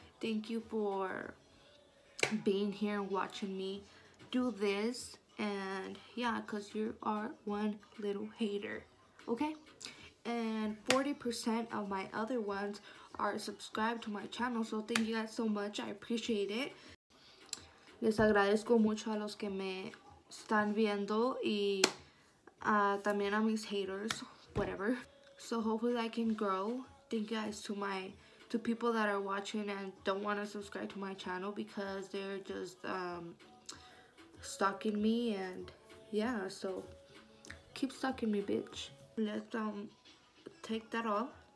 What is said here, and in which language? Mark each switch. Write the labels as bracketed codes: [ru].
[en] Thank you for being here and watching me do this. And yeah, because you are one little hater, okay? And 40% of my other ones are subscribed to my channel. So thank you guys so much. I appreciate it. [es] Les agradezco mucho a los que me están viendo y también a mis haters, whatever. [en] So hopefully I can grow. Thank you guys to people that are watching and don't want to subscribe to my channel because they're just stalking me, and yeah, so keep stalking me, bitch. Let's take that off.